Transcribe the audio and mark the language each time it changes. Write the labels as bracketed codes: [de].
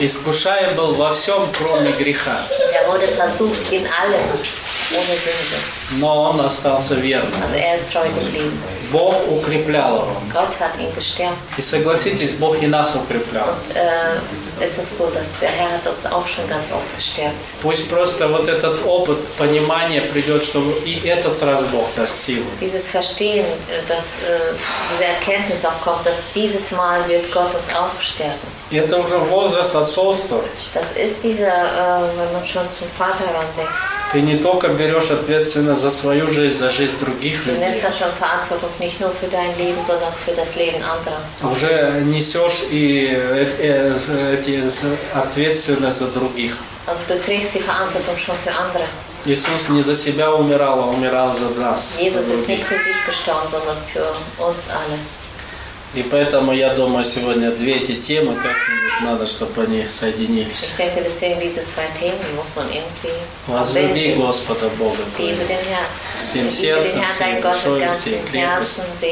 [ru] Искушаем был во всем, кроме греха. [de] Er wurde versucht in allem, ohne Sünde. [ru] Но он остался верным. [de] Also er ist treu geblieben. [ru] Бог укреплял его. [de] Gott hat ihn gestärkt. [ru] И согласитесь, Бог и нас укреплял. [de] Und, es ist so, dass der Herr hat uns auch schon ganz oft gestärkt. [ru] Пусть просто вот этот опыт понимания придет, чтобы и этот раз Бог даст силу. [de] Dieses Verstehen, dass diese Erkenntnis auch kommt, dass dieses Mal wird Gott uns auch stärken. [ru] Это уже возраст отцовства. [de] Das ist dieser, wenn man schon zum Vater heranwächst. [ru] Ты не только берешь ответственность за свою жизнь, за жизнь других людей. [de] Du nimmst dann schon Verantwortung nicht nur für dein Leben, sondern für das Leben anderer. [ru] Уже несешь и эти ответственность за других. [de] Also du trägst die Verantwortung schon für andere. [ru] Иисус не за себя умирал, а умирал за нас. [de] Jesus ist nicht für sich gestorben, sondern für uns alle. [ru] И поэтому, я думаю, сегодня две эти темы, как-нибудь надо, чтобы они соединились. [de] Ich denke, deswegen diese zwei Themen muss man irgendwie... [ru] Возлюби Господа Бога. [de] Liebe den Herrn. [ru] Всем сердцем, всей душой, всей крепостью.